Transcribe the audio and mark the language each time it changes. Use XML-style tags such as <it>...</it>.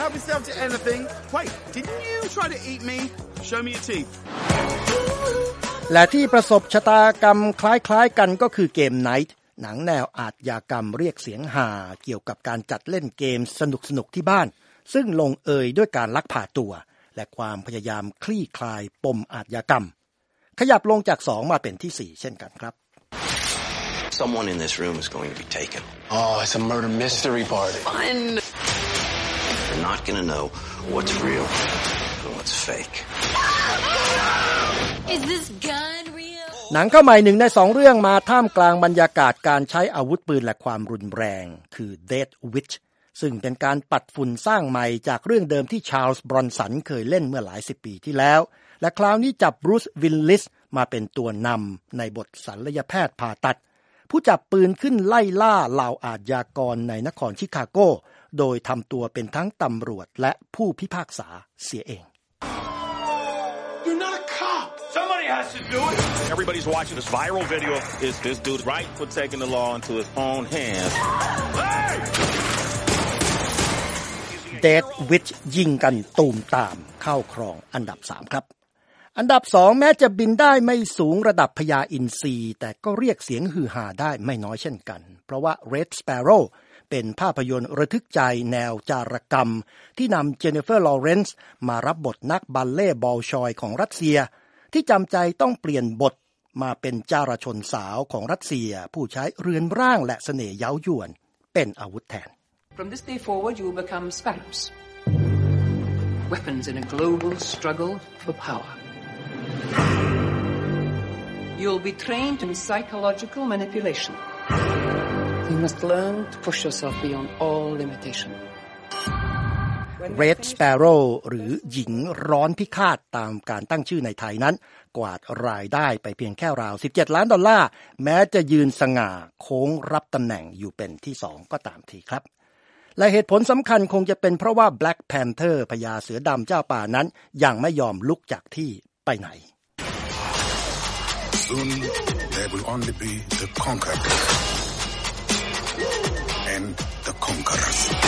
<en>Help yourself to anything. Wait, didn't you try to eat me? Show me your teeth.</en> <th>และที่ประสบชะตากรรมคล้ายๆกันก็คือเกมไนท์หนังแนวอาชญากรรมเรียกเสียงฮาเกี่ยวกับการจัดเล่นเกมสนุกๆที่บ้านซึ่งลงเอยด้วยการลักพาตัวและความพยายามคลี่คลายปมอาชญากรรมขยับลงจาก2มาเป็นที่4เช่นกันครับ</th> <en>Someone in this room is going to be taken. Oh, it's a murder mystery party. Fun. You're not going to know what's real and what's fake. Is this gun real?</en> <th>หนังเข้าใหม่1ใน2เรื่องมาท่ามกลางบรรยากาศการใช้อาวุธปืนและความรุนแรงคือ Dead Witch ซึ่งเป็นการปัดฝุ่นสร้างใหม่จากเรื่องเดิมที่ชาร์ลส์บรอนสันเคยเล่นเมื่อหลายสิบปีที่แล้วและคราวนี้จับบรูซวิลลิสมาเป็นตัวนำในบทศัลยแพทย์ผ่าตัดผู้จับปืนขึ้นไล่ล่าเหล่าอาชญากรในนครชิคาโกโดยทำตัวเป็นทั้งตำรวจและผู้พิพากษาเสียเอง</th> <en>You're not a cop. Somebody has to do it. Everybody's watching this viral video. Is this dude right for taking the law into his own hands? Hey!</en> <th>Dead Witch ยิงกันตูมตามเข้าครองอันดับ3ครับอันดับ2แม้จะบินได้ไม่สูงระดับพญาอินทรีแต่ก็เรียกเสียงฮือฮาได้ไม่น้อยเช่นกันเพราะว่า Red Sparrow เป็นภาพยนตร์ระทึกใจแนวจารกรรมที่นำเจเนฟเฟอร์ลอเรนซ์มารับบทนักบัลเล่บอลชอยของรัสเซีย ที่จำใจต้องเปลี่ยนบทมาเป็นจารชนสาวของรัสเซียผู้ใช้เรือนร่างและเสน่ห์เย้ายวนเป็นอาวุธแทน</th> <en>From this day forward you become sparrows weapons in a global struggle for powerYou'll be trained in psychological manipulation. You must learn to push yourself beyond all limitation.</en> <th>Red Sparrow หรือหญิงร้อนพิฆาตตามการตั้งชื่อในไทยนั้นกวาดรายได้ไปเพียงแค่ราว$17 ล้านแม้จะยืนสง่าโค้งรับตำแหน่งอยู่เป็นที่2ก็ตามทีครับและเหตุผลสำคัญคงจะเป็นเพราะว่า Black Panther พญาเสือดำเจ้าป่านั้นยังไม่ยอมลุกจากที่ไปไหน</th> <en>Soon, there will only be the conquered and the conquerors.</en>